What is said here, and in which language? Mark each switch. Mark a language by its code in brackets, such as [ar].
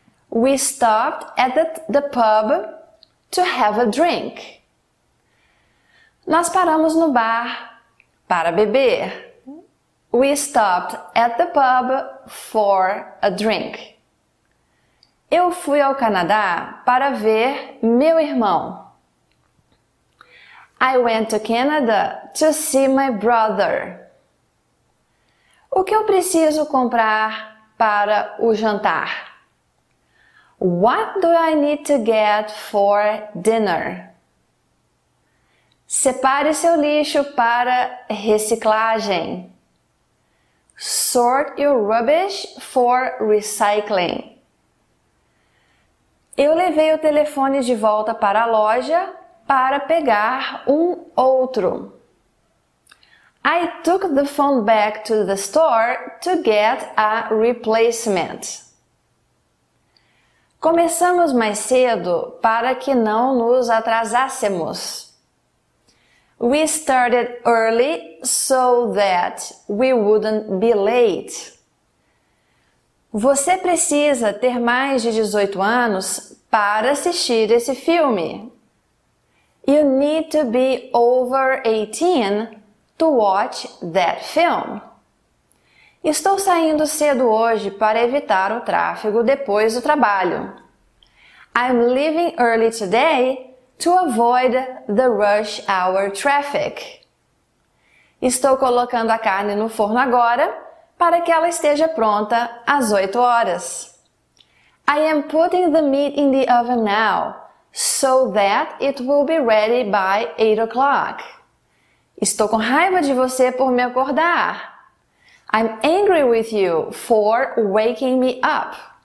[en] We stopped at the pub to have a drink. [pt] Nós paramos no bar para beber. [en] We stopped at the pub for a drink. [pt] Eu fui ao Canadá para ver meu irmão. [en] I went to Canada to see my brother. [pt] O que eu preciso comprar para o jantar? [en] What do I need to get for dinner? [pt] Separe seu lixo para reciclagem. [en] Sort your rubbish for recycling. [pt] Eu levei o telefone de volta para a loja para pegar um outro. [en] I took the phone back to the store to get a replacement. [pt] Começamos mais cedo para que não nos atrasássemos. [en] We started early so that we wouldn't be late. [pt] Você precisa ter mais de 18 anos para assistir esse filme. [en] You need to be over 18 to watch that film. [pt] Estou saindo cedo hoje para evitar o tráfego depois do trabalho. [en] I'm leaving early today to avoid the rush hour traffic. [pt] Estou colocando a carne no forno agora para que ela esteja pronta às 8 horas. [en] I am putting the meat in the oven now so that it will be ready by 8 o'clock. [pt] Estou com raiva de você por me acordar. [en] I'm angry with you for waking me up.